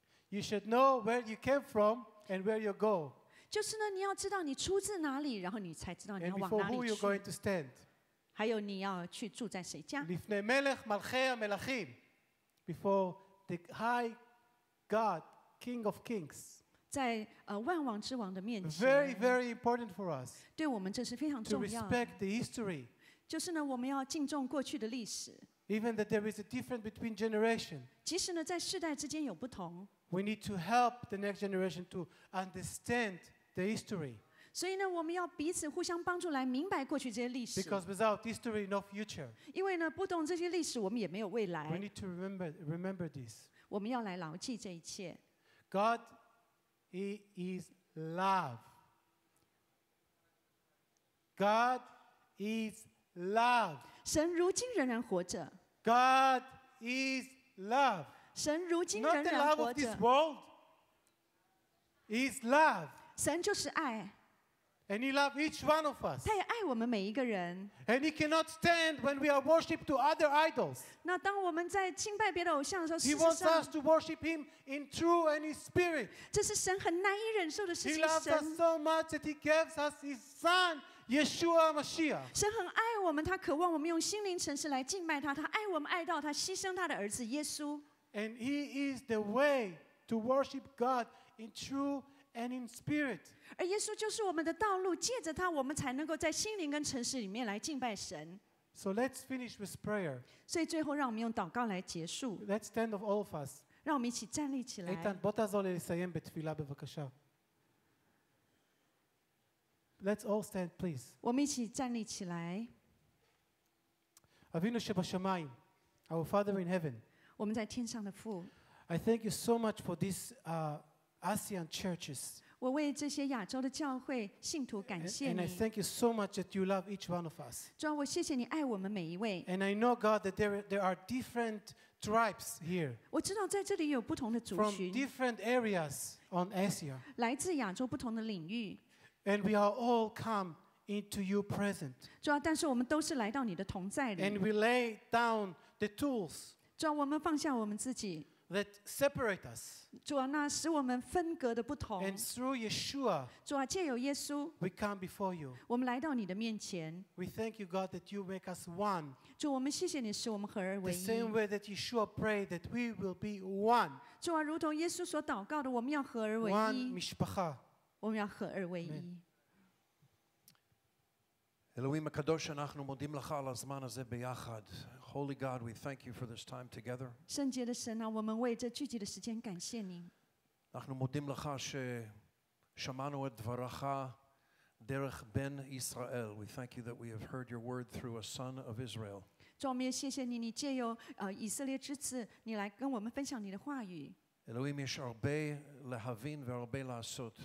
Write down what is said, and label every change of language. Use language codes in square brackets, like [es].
[en] You should know where you came from and where you go. [zh] 就是呢, 你要知道你出自哪里, 然后你才知道你要往哪里去, [en] and before who you're going to stand. [zh] 还有你要去住在谁家? [he] Lifnei melech malchei ha-melachim, [en] before the high God, King of Kings. [zh] 在, 万王之王的面前, [en] very, very important for us. [zh] 对我们这是非常重要的, [en] to respect the history. [zh] 就是呢, 我们要敬重过去的历史, [en] even that there is a difference between generations. [zh] 即使呢, 在世代之间有不同, [en] we need to help the next generation to understand the history. [zh] 所以呢, 我们要彼此互相帮助来明白过去这些历史, [en] because without history, no future. [zh] 因为呢, 不懂这些历史, 我们也没有未来. [en] We need to remember this. [zh] 我们要来牢记这一切. [en] God, he is love. God is love. [zh] 神如今仍然活着. [en] God is love. [zh] 神如今仍然活着. [en] Not the love of this world. He is love. [zh] 神就是爱. [en] And he loves each one of us. [zh] 他也爱我们每一个人。 [en] And he cannot stand when we are worshiped to other idols. [zh] 那当我们在敬拜别的偶像的时候， [en] He wants us to worship him in true and in spirit. [zh] 这是神很难以忍受的事情。 [en] He loves us so much that he gives us his son. Yeshua Mashiach. [zh] 神很爱我们，他渴望我们用心灵诚实来敬拜他。他爱我们爱到他牺牲他的儿子耶稣。 [en] And he is the way to worship God in true and in spirit. [zh] 而耶稣就是我们的道路，借着他，我们才能够在心灵跟诚实里面来敬拜神。 [en] So let's finish with prayer. [zh] 所以最后让我们用祷告来结束。 [en] Let's stand of all of us. [zh] 让我们一起站立起来。 [he] Etan, bota zol elisayem betfilah bevakasha. [en] Let's all stand, please. [zh] 我们一起站立起来。 [he] Avinu shebashamayim, [en] our Father in heaven. [zh] 我们在天上的父。 [en] I thank you so much for these ASEAN churches. [zh] 我为这些亚洲的教会信徒感谢你。 [en] And I thank you so much that you love each one of us. [zh] 主啊，我谢谢你爱我们每一位。 [en] And I know, God, that there are different tribes here. [zh] 我知道在这里有不同的族群。 [en] From different areas on Asia. [zh] 来自亚洲不同的领域。 [en] And we are all come into your present. [zh] 主啊，但是我们都是来到你的同在里。 [en] And we lay down the tools. [zh] 主啊，我们放下我们自己。 [en] That separate us. [zh] 主啊，那使我们分隔的不同。 [en] And through Yeshua. [zh] 主啊，借由耶稣。 [en] We come before you. [zh] 我们来到你的面前。 [en] We thank you, God, that you make us one. [zh] 主，我们谢谢你使我们合而为一。 [en] The same way that Yeshua prayed that we will be one. [zh] 主啊，如同耶稣所祷告的，我们要合而为一。 [en] One mishpacha. [zh] 我们要合二为一。 [he] Elohim Hakadosh, אנחנו מודים לך על הזמן הזה ביחד. [en] Holy God, we thank you for this time together. [zh] 圣洁的神啊，我们为这聚集的时间感谢你。 [he] אנחנו מודים לך ששמענו את דברך דרך בן ישראל. [en] We thank you that we have heard your word through a son of Israel. [zh] 主，我们也谢谢你，你借由以色列之子，你来跟我们分享你的话语。 [he] Elohim, יש הרבה להבין והרבה לעשות.